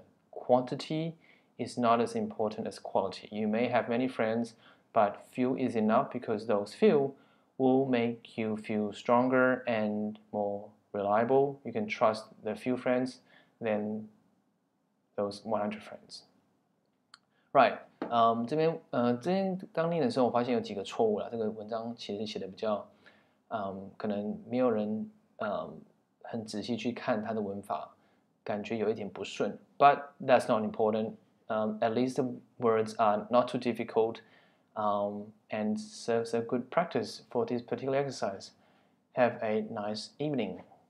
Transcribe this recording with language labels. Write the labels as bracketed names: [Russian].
[English] Quantity is not as important as quality. You may have many friends, but few is enough because those few will make you feel stronger and more reliable, you can trust the few friends than those 100 friends. [Chinese] Right, 这边刚念的时候我发现有几个错误啦，这个文章其实写的比较可能没有人很仔细去看它的文法，感觉有一点不顺。 [English] But that's not important. At least the words are not too difficult and serves a good practice for this particular exercise. Have a nice evening.